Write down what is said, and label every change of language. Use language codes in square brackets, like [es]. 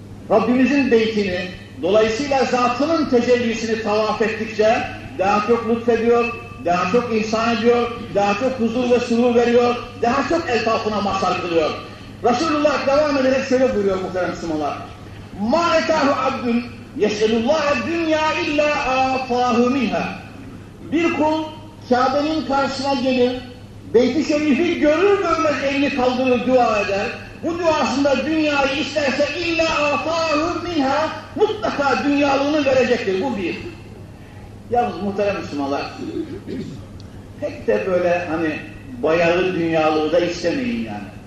[tr] Rabbimizin beytini, dolayısıyla zatının tecellisini tavaf ettikçe daha çok lütfediyor, daha çok ihsan ediyor, daha çok huzur ve sürur veriyor, daha çok etrafına masar kılıyor. Resulullah devam ederek şöyle buyuruyor muhterem Müslümanlar. [ar] مَا اَتَاهُ عَبْدٌ يَسْلُ اللّٰهَ الدُّنْيَا اِلَّا اَعْطَاهُ مِنْهَا. [tr] Bir kul Kabe'nin karşısına gelir, Beyt-i Şerif'i görür görmez elini kaldırır, dua eder. Bu duasında dünyayı isterse illa afahu minha, mutlaka dünyalığını verecektir. Bu bir. Yalnız muhterem Müslümanlar, pek de böyle hani bayağı dünyalığı da istemeyin yani.